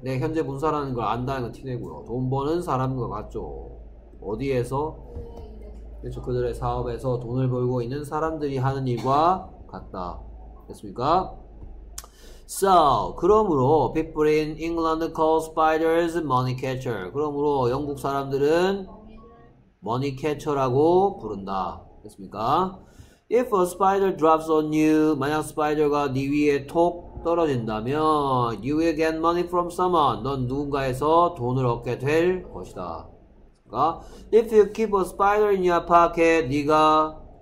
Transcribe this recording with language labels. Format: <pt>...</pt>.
<ko>내 현재 분사라는 걸 안다는 건 티내고요. 돈 버는 사람과 같죠. 어디에서? 그렇죠. 그들의 사업에서 돈을 벌고 있는 사람들이 하는 일과 같다. 됐습니까?</ko> <en>So, 그러므로 people in England call spiders money catcher.</en> <ko>그러므로 영국 사람들은 money catcher라고 부른다. 됐습니까?</ko> <en>If a spider drops on you,</en> <ko>만약 spider가 네 위에 톡 떨어진다면</ko> <en>you will get money from someone.</en> <ko>넌 누군가에서 돈을 얻게 될 것이다. 됐습니까?</ko> <en>If you keep a spider in your pocket, 네가</en>